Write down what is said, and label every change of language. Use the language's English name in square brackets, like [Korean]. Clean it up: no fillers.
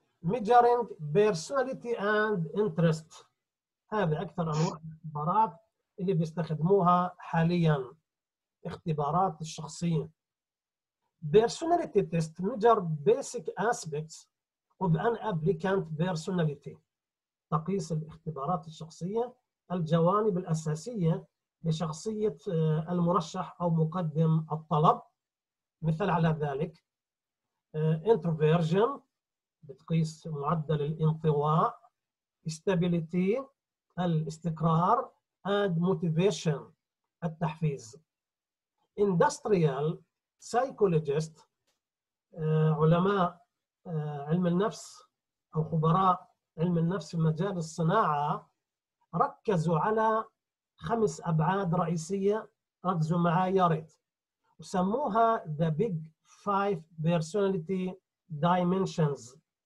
[English] Measuring personality and interest. [Arabic] هذه أكثر أنواع الاختبارات اللي بيستخدموها حاليا. اختبارات الشخصية. [English] Personality test measure basic aspects of an applicant personality. [Arabic] تقيس الاختبارات الشخصية الجوانب الأساسية لشخصية المرشح أو مقدم الطلب. مثال على ذلك introversion بتقيس معدل الانطواء، stability الاستقرار، [English] and motivation [Arabic] التحفيز. [English] Industrial psychologist [Arabic] علماء علم النفس أو خبراء علم النفس في مجال الصناعة ركزوا على 5 أبعاد رئيسية، ركزوا معي يا ريت، وسموها The Big Five Personality Dimensions.